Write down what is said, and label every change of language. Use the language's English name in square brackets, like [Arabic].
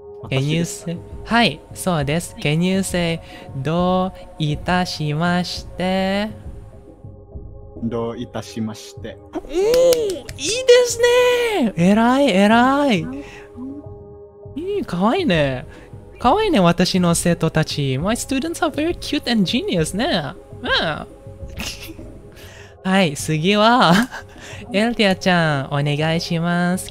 [English] Can you say? [Japanese] はい、そうです。 [English] Can you say [Japanese] どういたしまして。どういたしまして。おー、いいですね、えらい、えらい、いい、かわいいね、かわいいね、私の生徒たち。 [English] My students are very cute and genius ね、yeah. [Japanese] はい、次はエルティアちゃん、お願いします。